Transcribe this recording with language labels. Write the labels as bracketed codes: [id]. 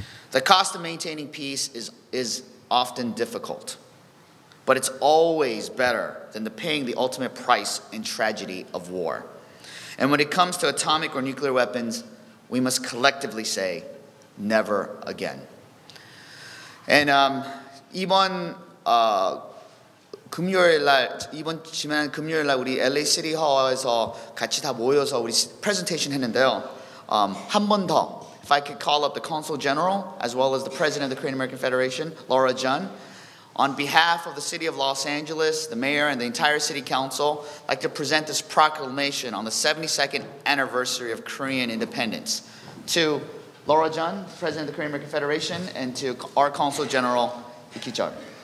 [en] The cost of maintaining peace is often difficult, but it's always better than paying the ultimate price in tragedy of war. And when it comes to atomic or nuclear weapons, we must collectively say, never again. [ko] And 이번 금요일 날 이번 지난 금요일 날 우리 LA 시티 홀에서 같이 다 모여서 우리 프레젠테이션 했는데요. [en] 한 번 더 if I could call up the Consul General as well as the President of the Korean American Federation, Laura Jun, on behalf of the City of Los Angeles, the Mayor, and the entire City Council, I'd like to present this proclamation on the 72nd anniversary of Korean independence to Laura Jun, President of the Korean American Federation, and to our Consul General, Lee Ki-jeon.